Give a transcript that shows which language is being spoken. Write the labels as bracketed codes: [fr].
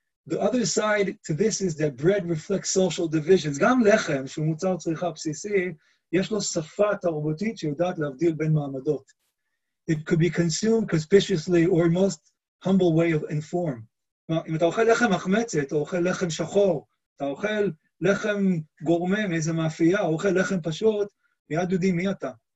[en] The other side to this is that bread reflects social divisions. [he] גם לחם, שהוא מוצר צריכה בסיסי, יש לו שפה תרבותית שיודעת להבדיל בין מעמדות. [en] It could be consumed conspicuously or most humble way of inform. [he] אם אתה אוכל לחם מחמצת, או אוכל לחם שחור, אתה אוכל לחם גורמה מאיזה מאפייה, אוכל לחם פשוט, מיד יודעים מי אתה.